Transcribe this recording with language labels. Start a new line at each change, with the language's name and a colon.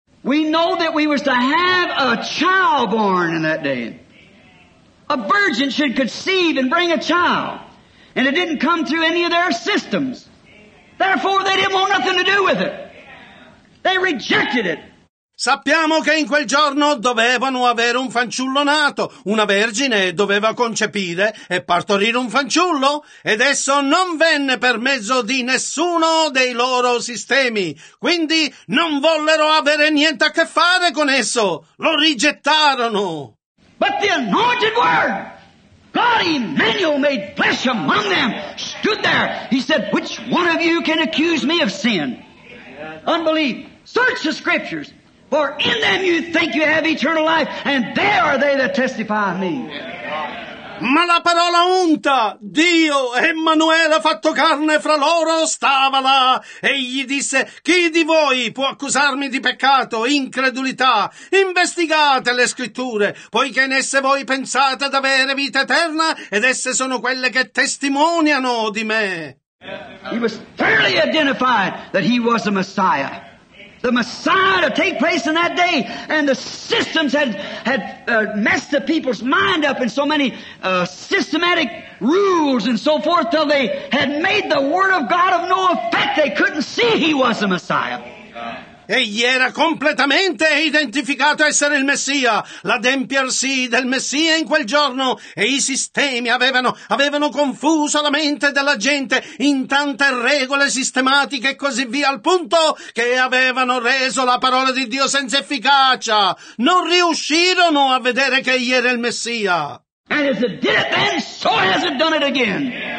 English: We know that we was to have a child born in that day. A virgin should conceive and bring a child. And it didn't come through any of their systems. Therefore, they didn't want nothing to do with it. They rejected it.
Italian: Sappiamo che in quel giorno dovevano avere un fanciullo nato, una vergine doveva concepire e partorire un fanciullo, ed esso non venne per mezzo di nessuno dei loro sistemi, quindi non vollero avere niente a che fare con esso, lo rigettarono.
English: But the anointed word, God Emmanuel made flesh among them, stood there. He said, which one of you can accuse me of sin? Unbelief. Search the scriptures. For in them you think you have eternal life, and there are they that testify of me.
Italian: Ma la parola unta, Dio, Emanuele fatto carne fra loro, stava là. E gli disse, chi di voi può accusarmi di peccato, incredulità? Investigate le scritture, poiché in esse voi pensate ad avere vita eterna, ed esse sono quelle che testimoniano di me.
English: He was fairly identified that he was the Messiah. The Messiah to take place in that day, and the systems had messed the people's mind up in so many systematic rules and so forth till they had made the Word of God of no effect. They couldn't see He was the Messiah.
Italian: Egli era completamente identificato a essere il Messia, l'adempiersi del Messia in quel giorno, e i sistemi avevano confuso la mente della gente in tante regole sistematiche e così via, al punto che avevano reso la parola di Dio senza efficacia. Non riuscirono a vedere che egli era il Messia.
English: And as it did it then, so has it done it again.